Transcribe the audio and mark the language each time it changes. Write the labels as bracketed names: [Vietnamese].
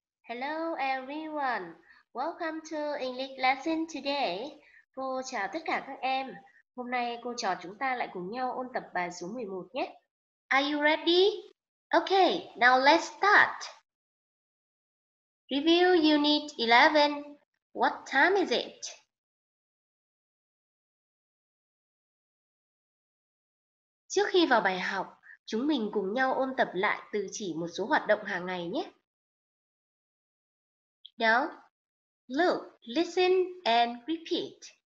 [English] Hello everyone, welcome to English lesson today. [Vietnamese] Cô chào tất cả các em. Hôm nay cô trò chúng ta lại cùng nhau ôn tập bài số 11 nhé. [English] Are you ready? Okay, now let's start. Review unit 11. What time is it? [Vietnamese] Trước khi vào bài học, chúng mình cùng nhau ôn tập lại từ chỉ một số hoạt động hàng ngày nhé. [English] Now, look, listen and repeat.